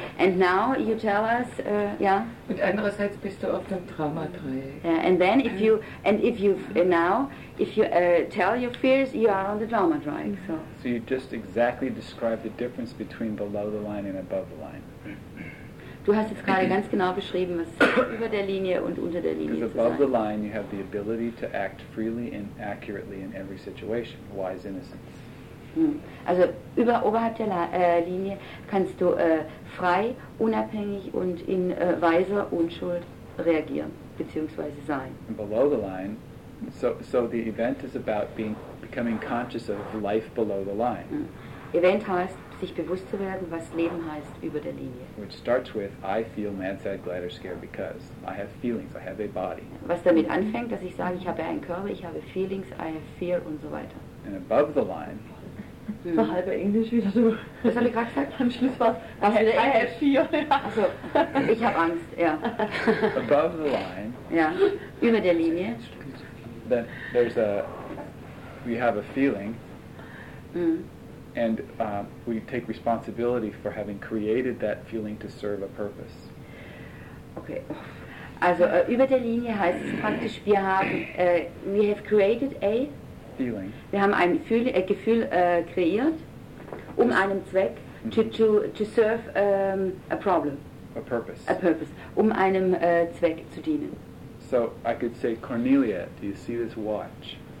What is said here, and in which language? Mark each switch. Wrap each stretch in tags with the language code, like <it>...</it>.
<en>And now you tell us,</en> <de>Und andererseits bist du auf dem Dramadreieck.</de> <en>Yeah, and then if you tell your fears, you are on the drama drawing. Mm-hmm. So you just exactly describe the difference between below the line and above the line.</en> <de>Du hast jetzt gerade ganz genau beschrieben, was über der Linie und unter der Linie ist.</de> <en>Because above the line you have the ability to act freely and accurately in every situation. Wise innocence.</en> <de>Also oberhalb der Linie kannst du frei, unabhängig und in weiser Unschuld reagieren, beziehungsweise sein.</de> <en>And below the line So the event is about becoming conscious of life below the line. Mm.</en> <de>Event heißt, sich bewusst zu werden, was Leben heißt, über der Linie.</de> <en>Which starts with, I feel mad, sad, glad or scared because I have feelings, I have a body.</en> <de>Was damit anfängt, dass ich sage, ich habe einen Körper, ich habe</de> <en>feelings, I have fear</en> <de>und so weiter.</de> <en>And above the line,</en> <de>so halber Englisch wieder so. Was habe ich gerade gesagt? Am Schluss war es,</de> <en>I have fear.</en> <de>Also, ich habe Angst, ja.</de> <en>Above the line.</en> <de>Ja, über der Linie.</de> <en>Then there's a, we have a feeling, and we take responsibility for having created that feeling to serve a purpose.</en> <de>Okay, also über der Linie heißt es praktisch, wir haben,</de> <en>we have created a feeling.</en> <de>Wir haben ein Gefühl kreiert, einen Zweck,</de> <en>to serve a problem. A purpose. A purpose,</en> <de>einem Zweck zu dienen.</de> <en>So I could say, Cornelia, do you see this watch?</en>